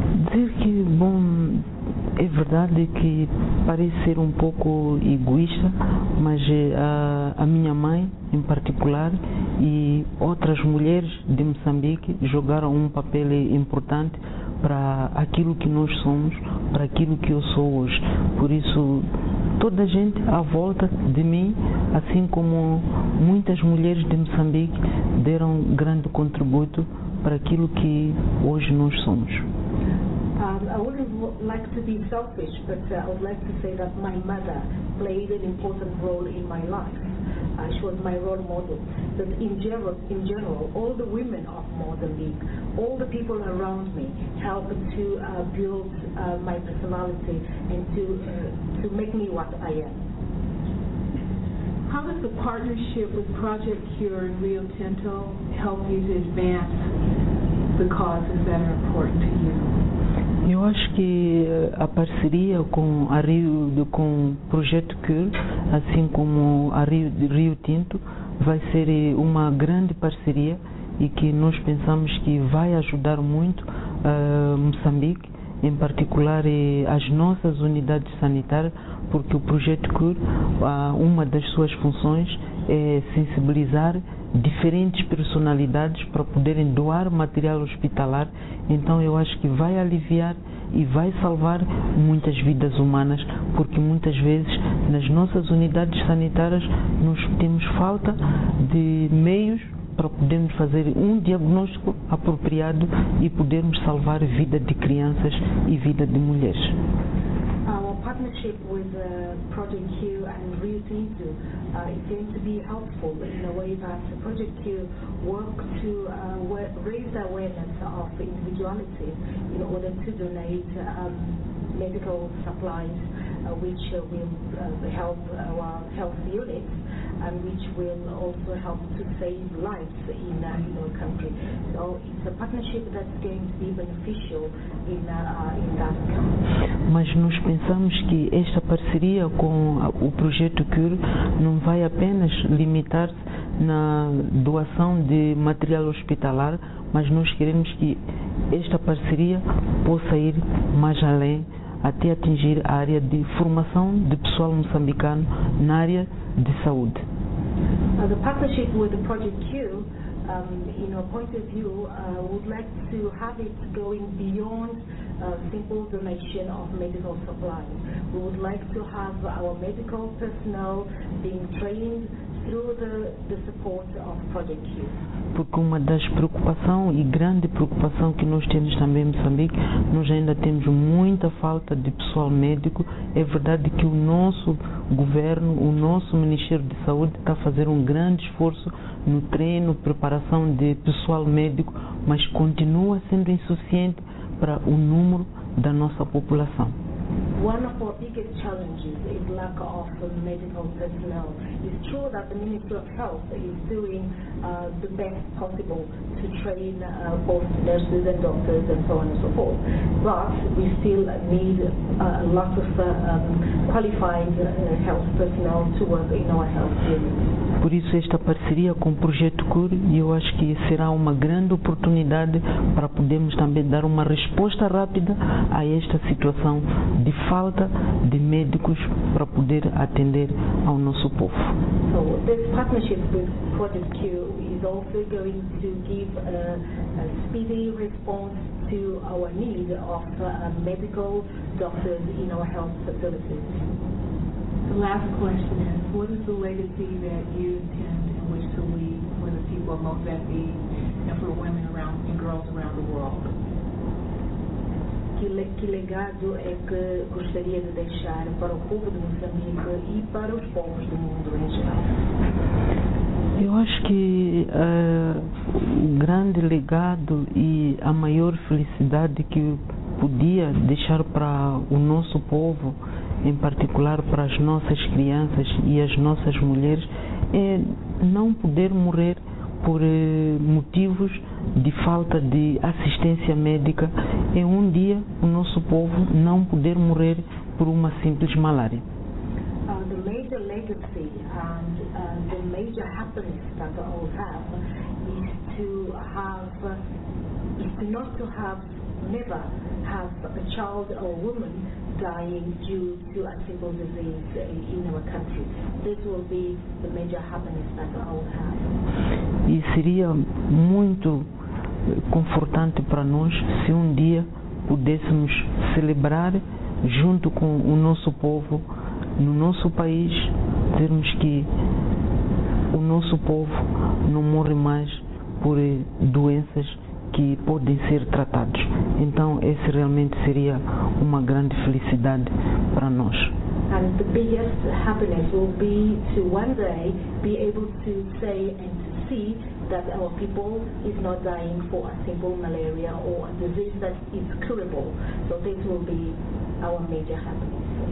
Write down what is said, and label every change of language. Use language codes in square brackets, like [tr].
[pt] Dizer que, bom, é verdade que parece ser um pouco egoísta, mas a minha mãe, em particular, e outras mulheres de Moçambique jogaram um papel importante para aquilo que nós somos, para aquilo que eu sou hoje. Por isso, toda a gente à volta de mim, assim como muitas mulheres de Moçambique, deram grande contributo para aquilo que hoje nós somos. [en] I wouldn't like to be selfish, but I would like to say that my mother played an important role in my life. She was my role model. But in general, all the women of Mozambique, all the people around me, helped to build my personality and to make me what I am. How does the partnership with Project Cure and Rio Tinto help you to advance the causes that are important to you? [pt] Eu acho que a parceria com a Rio, com o Projeto Cure, assim como a Rio Tinto, vai ser uma grande parceria, e que nós pensamos que vai ajudar muito Moçambique em particular as nossas unidades sanitárias, porque o Projeto Cure, uma das suas funções é sensibilizar diferentes personalidades para poderem doar material hospitalar. Então eu acho que vai aliviar e vai salvar muitas vidas humanas, porque muitas vezes nas nossas unidades sanitárias nós temos falta de meios para podermos fazer um diagnóstico apropriado e podermos salvar vida de crianças e vida de mulheres. [en] Partnership with Project Q and Rio Tinto is going to be helpful in the way that Project Q works to raise awareness of individuality in order to donate medical supplies which will help our health units and which will also help to save lives in our country. So it's a partnership that's going to be beneficial in that country. [pt] Mas nós pensamos que esta parceria com o Projeto Cure não vai apenas limitar-se na doação de material hospitalar, mas nós queremos que esta parceria possa ir mais além, até atingir a área de formação de pessoal moçambicano na área de saúde. [en] The partnership with the Project Cure, in our point of view, would like to have it going beyond simple donation of medical supplies. We would like to have our medical personnel being trained through the support of Project Q. [pt] Porque uma das preocupações e grande preocupação que nós temos também em Moçambique, nós ainda temos muita falta de pessoal médico. É verdade que o nosso governo, o nosso Ministério de Saúde está a fazer um grande esforço no treino, preparação de pessoal médico, mas continua sendo insuficiente para o número da nossa população. [en] One of our biggest challenges is lack of medical personnel. It's true that the Ministry of Health is doing the best possible to train both nurses and doctors and so on and so forth. But we still need lots of qualified health personnel to work in our health units. [pt] Por isso esta parceria com o Projeto Cure, eu acho que será uma grande oportunidade para podermos também dar uma resposta rápida a esta situação de falta de médicos para poder atender ao nosso povo. [en] So, this partnership with Project Cure is also going to give a speedy response to our need of medical doctors in our health facilities. The last question is, what is the legacy that you intend and wish to leave for the people of Mozambique and for women around and girls around the world? [pt] Que legado é que gostaria de deixar para o povo de Moçambique e para os povos do mundo em geral? Eu acho que o grande legado e a maior felicidade que podia deixar para o nosso povo, em particular para as nossas crianças e as nossas mulheres, é não poder morrer por motivos de falta de assistência médica, é um dia o nosso povo não poder morrer por uma simples malária. [en] The major legacy and the major happiness that we all have is to have, is to not to have, never have a child or woman dying due to a simple disease in our country. This will be the major happiness that we all have. [pt] E seria muito confortante para nós se um dia pudéssemos celebrar junto com o nosso povo, no nosso país, termos que o nosso povo não morre mais por doenças que podem ser tratadas. Então, esse realmente seria uma grande felicidade para nós. [en] And the biggest happiness will be to one day be able to say and to see that our people is not dying for a simple malaria or a disease that is curable. So this will be our major happiness.